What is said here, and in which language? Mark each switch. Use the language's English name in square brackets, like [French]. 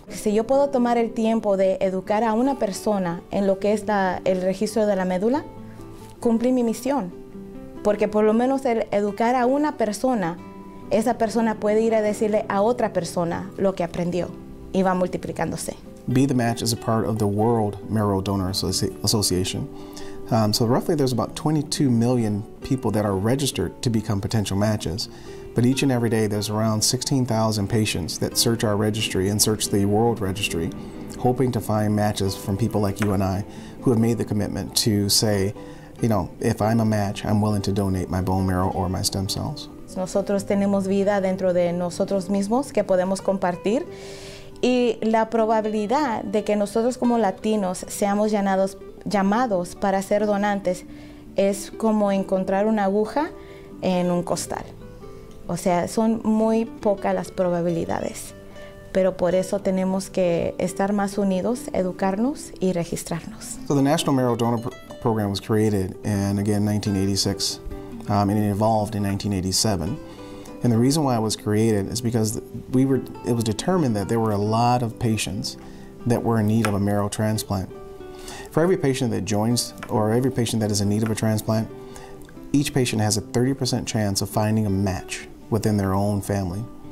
[Spanish] Si yo puedo tomar el tiempo de educar a una persona en lo que es el registro de la médula, cumplí mi misión. Porque por lo menos el educar a una persona, esa persona puede ir a decirle a otra persona lo que aprendió y va multiplicándose. [English] Be the Match is a part of the World Marrow Donor Association. So roughly there's about 22 million people that are registered to become potential matches. But each and every day there's around 16,000 patients that search our registry and search the World Registry, hoping to find matches from people like you and I who have made the commitment to say, you know, if I'm a match, I'm willing to donate my bone marrow or my stem cells. [Spanish] Nosotros tenemos vida dentro de nosotros mismos que podemos compartir. Y la probabilidad de que nosotros como latinos seamos llamados para ser donantes es como encontrar una aguja en un costal. O sea, son muy pocas las probabilidades. Pero por eso tenemos que estar más unidos, educarnos y registrarnos. [English] So the National Marrow Donor Program was created in, again, 1986, and it evolved in 1987. And the reason why it was created is because it was determined that there were a lot of patients that were in need of a marrow transplant. For every patient that joins, or every patient that is in need of a transplant, each patient has a 30% chance of finding a match within their own family.